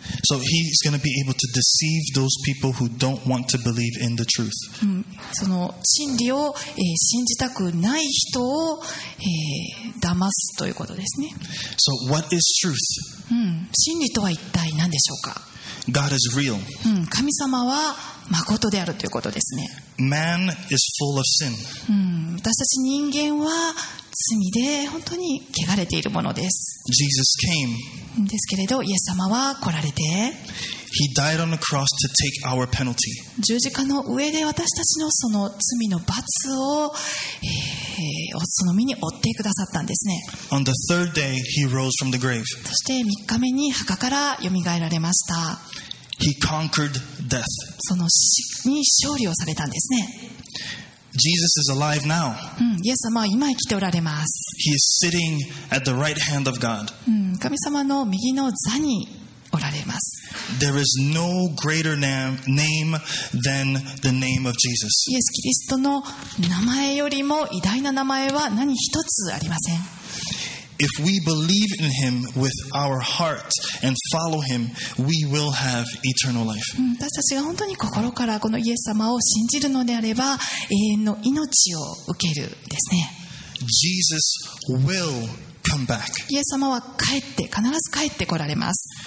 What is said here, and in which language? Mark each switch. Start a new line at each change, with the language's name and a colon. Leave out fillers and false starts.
English: So he's going to be able to deceive those people who don't want to believe in the truth.
Japanese: その真理を、信じたくない人を、騙すということですね。
English: So what is truth?
Japanese: 真理とは一体何でしょうか?
English: God is real.
Japanese: 神様は誠であるということですね。
English: Man is full of sin.
Japanese: 私たち人間は罪で本当に汚れているものです。
English: Jesus came.
Japanese: ですけれど、イエス様は来られて、
English: He died on the cross to take our penalty.
Japanese: 十字架の上で私たちのその罪の罰を、その身に負ってくださったんですね。
English: On the third day, he rose from the grave.
Japanese: そして3日目に墓からよみがえられました。
English: He conquered death.
Japanese: その死に勝利をされたんですね。
English: Jesus is alive now.
Japanese: イエス様は今生きておられます。
English: He is sitting at the right hand of God.
Japanese: 神様の右の座におられます。
English: There is no greater name than the name of Jesus.
Japanese: イエス・キリストの名前よりも偉大な名前は何一つありません。
English: If we believe in him with our heart and follow him, we will have eternal life.
Japanese: 私たちが本当に心からこのイエス様を信じるのであれば、永遠の命を受けるですね。
English: Jesus will come back.
Japanese: イエス様は帰って、必ず帰って来られます。